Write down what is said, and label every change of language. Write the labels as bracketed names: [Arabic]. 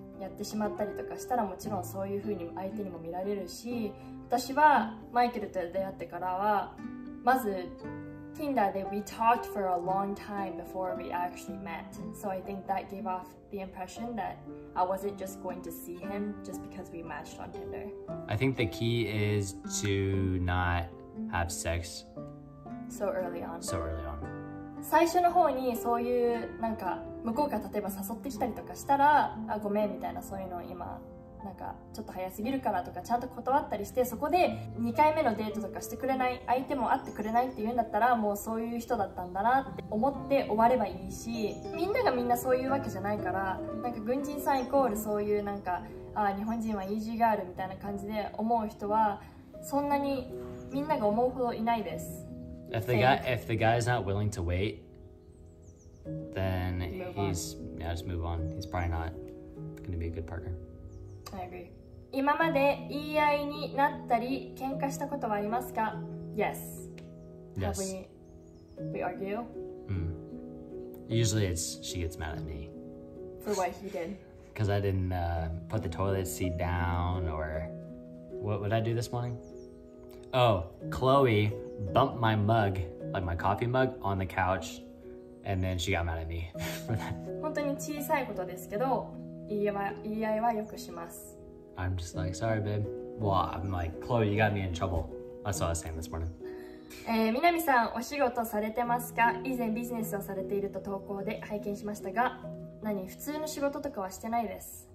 [Japanese] やってしまったりとかしたらもちろんそういう風に相手にも見られるし私はマイケルと出会ってからはまず [English] Tinder で We talked for a long time before we actually met So I think that gave off the impression that I wasn't just going to see him just because we matched on Tinder I think the key is to not have sex So early on [Japanese] 最初の方にそういうなんか向こうが例えば誘ってきたりとかしたらあごめんみたいなそういうのを今なんかちょっと早すぎるからとかちゃんと断ったりしてそこで2回目のデートとかしてくれない相手も会ってくれないって言うんだったらもうそういう人だったんだなって思って終わればいいしみんながみんなそういうわけじゃないからなんか軍人さんイコールそういうなんかあ日本人はイージーガールみたいな感じで思う人はそんなにみんなが思うほどいないです [English] If the guy is not willing to wait, then he's yeah, just move on. He's probably not going to be a good partner. I agree. [Japanese] 今まで言い合いになったり喧嘩したことはありますか? [English] Yes. Yes. Have we argue? Usually it's she gets mad at me. For what he did? Because I didn't put the toilet seat down or what would I do this morning? Oh, Chloe... Bumped my mug, like my coffee mug, on the couch, and then she got mad at me for that. [Japanese] 本当に小さいことですけど、言い合いはよくします。 [English] I'm just like, sorry, babe. Well, I'm like, Chloe, you got me in trouble. That's what I was saying this morning. [Japanese] みなみさん、お仕事されてますか?以前ビジネスをされていると投稿で拝見しましたが、何? 普通の仕事とかはしてないです。